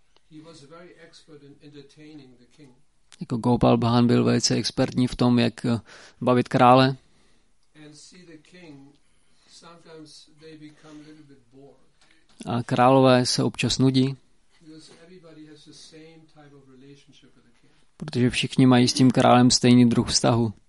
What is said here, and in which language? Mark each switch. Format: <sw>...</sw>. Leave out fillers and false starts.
<en>He was very expert in entertaining the king.</en> <cs>Jako Gopal Bhan byl velice expertní v tom, jak bavit krále.</cs> <en>And see the king, sometimes they become a little bit bored.</en> <cs>A králové se občas nudí.</cs> <en>Everybody has the same type of relationship with the king.</en> <cs>Protože všichni mají s tím králem stejný druh vztahu.</cs>